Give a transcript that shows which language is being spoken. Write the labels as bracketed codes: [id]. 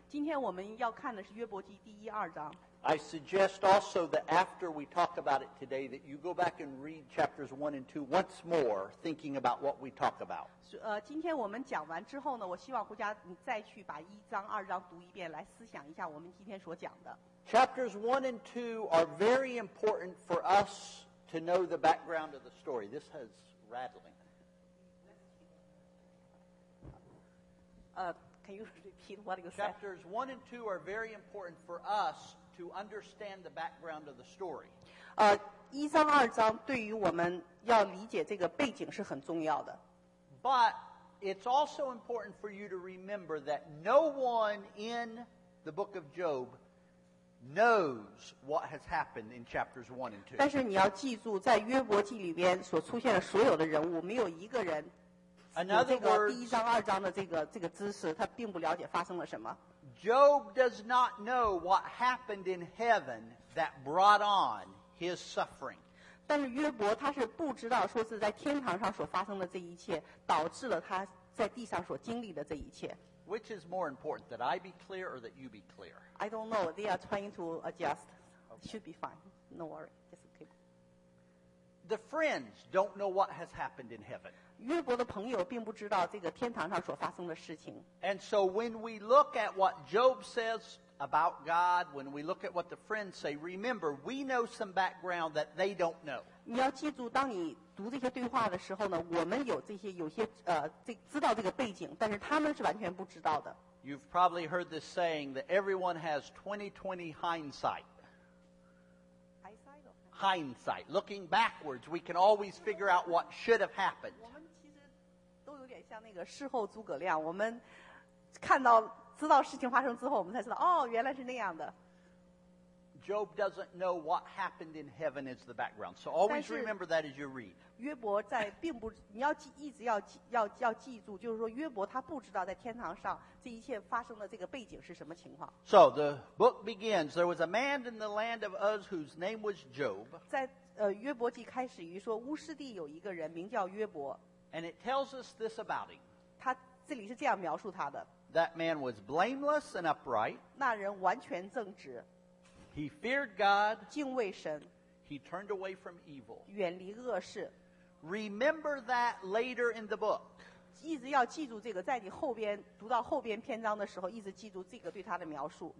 [zh] 今天我们要看的是约伯记第一二章。 [en] I suggest also that after we talk about it today, that you go back and read chapters 1 and 2 once more, thinking about what we talk about. [zh] 今天我们讲完之后呢，我希望回家你再去把一章、二章读一遍，来思想一下我们今天所讲的。 [en] Chapters 1 and 2 are very important for us to know the background of the story. This is rattling. Can you repeat what you said? Chapters 1 and 2 are very important for us to understand the background of the story. [zh] 一章二章对于我们要理解这个背景是很重要的。 [en] But it's also important for you to remember that no one in the book of Job knows what has happened in chapters 1 and 2. [zh] 但是你要记住，在约伯记里边所出现的所有的人物，没有一个人有这个第一章、二章的这个知识，他并不了解发生了什么。 [en] Job does not know what happened in heaven that brought on his suffering. [zh] 但是约伯他是不知道说是在天堂上所发生的这一切，导致了他在地上所经历的这一切。 [en] Which is more important, that I be clear or that you be clear? I don't know. They are trying to adjust. Should be fine. No worry. Just keep. The friends don't know what has happened in heaven. [zh] 约伯的朋友并不知道这个天堂上所发生的事情。 [en] And so when we look at what Job says about God, when we look at what the friends say, remember, we know some background that they don't know. [zh] 你要记住，当你读这些对话的时候呢，我们有这些有些知道这个背景，但是他们是完全不知道的。 [en] You've probably heard this saying that everyone has 20/20 hindsight. Hindsight, looking backwards, we can always figure out what should have happened. [zh] 我们其实都有点像那个事后诸葛亮，我们看到知道事情发生之后，我们才知道哦，原来是那样的。 [en] Job doesn't know what happened in heaven as the background. So always remember that as you read. [zh] 约伯在并不，你要记，一直要记住，就是说约伯他不知道在天堂上这一切发生的这个背景是什么情况。 [en] So the book begins. There was a man in the land of Uz whose name was Job. [zh] 在约伯记开始于说乌斯地有一个人名叫约伯。 [en] And it tells us this about him. [zh] 他这里是这样描述他的。 [en] That man was blameless and upright. [zh] 那人完全正直。 [en] He feared God. [zh] 敬畏神。 [en] He turned away from evil. [zh] 远离恶事。 [en] Remember that later in the book. [zh] 一直要记住这个，在你后边读到后边篇章的时候，一直记住这个对他的描述。